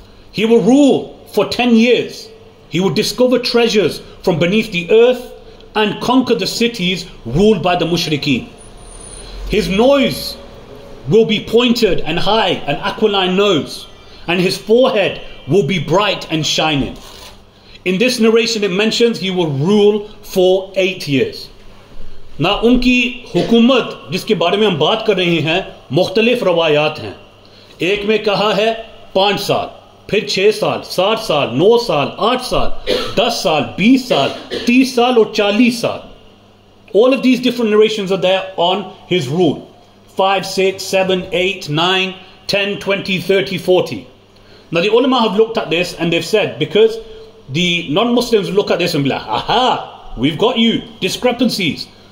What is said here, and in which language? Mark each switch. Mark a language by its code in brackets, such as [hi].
[en] He will rule for 10 years. He will discover treasures from beneath the earth and conquer the cities ruled by the mushrikeen. His nose will be pointed and high, an aquiline nose, and his forehead will be bright and shining. In this narration it mentions he will rule for 8 years. [ur] نہ ان کی حکومت جس کے بارے میں ہم بات کر رہے ہیں مختلف روایات ہیں۔ ایک میں کہا ہے 5 سال، پھر 6 سال، 7 سال، 9 سال، 8 سال، 10 سال، 20 سال، 30 سال اور 40 سال۔ [en] All of these different narrations are there on his rule. 5, 6, 7, 8, 9, 10, 20, 30, 40. Now the ulama have looked at this and they've said, because the non-Muslims look at this and be like, aha, we've got you, discrepancies.